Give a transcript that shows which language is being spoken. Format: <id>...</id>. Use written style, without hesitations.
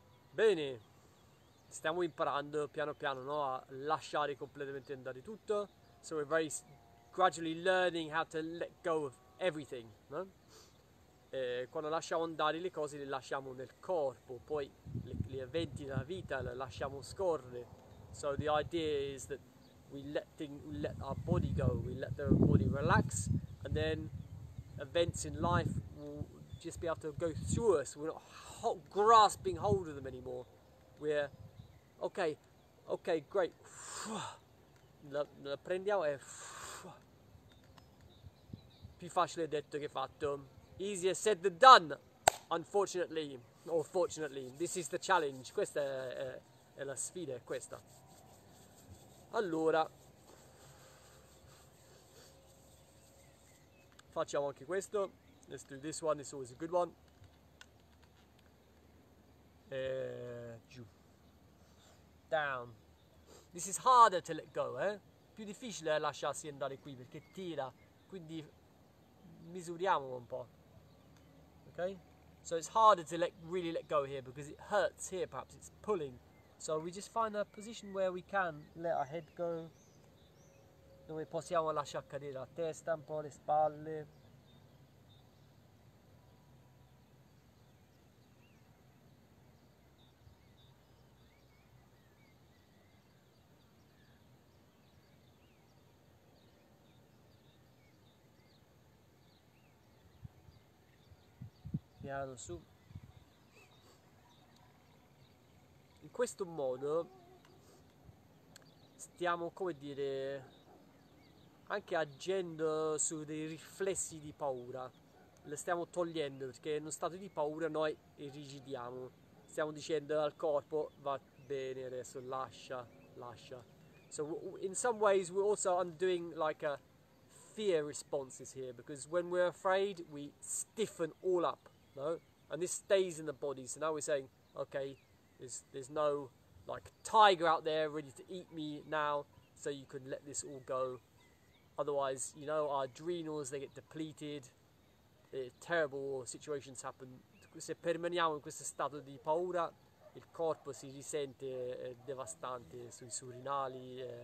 <it>Bene, stiamo imparando piano piano, no, a lasciare completamente andare tutto.</it> <en>So we're very gradually learning how to let go of everything, no?</en> <it>E quando lasciamo andare le cose le lasciamo nel corpo, poi gli eventi della vita le lasciamo scorrere.</it> <en>So the idea is that we let our body go, we let the body relax, and then events in life will just be able to go through us. We're not ho grasping hold of them anymore. We're okay, great.</en> <it>La prendiamo e più facile detto che fatto.</it> <en>Easier said than done, unfortunately, or fortunately. This is the challenge.</en> <it>Questa è la sfida, è questa. Allora, facciamo anche questo.</it> <en>Let's do this one, it's always a good one.</en> <it>Giù.</it> <en>Down. This is harder to let go, eh?</en> <it>Più difficile è lasciarsi andare qui perché tira. Quindi misuriamo un po'. Ok?</it> <en>So it's harder to really let go here because it hurts here, perhaps it's pulling. So we just find a position where we can let our head go,</en> <it>dove possiamo lasciare cadere la testa, un po' le spalle. Piano su. In questo modo stiamo, come dire, anche agendo su dei riflessi di paura. Le stiamo togliendo perché in uno stato di paura noi irrigidiamo. Stiamo dicendo al corpo va bene adesso, lascia, lascia. Però</it> <en>So in some ways we're also undoing like a fear responses here, because when we're afraid we stiffen all up, no? And this stays in the body. So now we're saying, okay, there's no like tiger out there ready to eat me now, so you can let this all go. Otherwise, you know, our adrenals, they get depleted. Terrible situations happen.</en> <it>Se permaniamo in questo stato di paura, il corpo si risente, devastante sui surrenali.</it>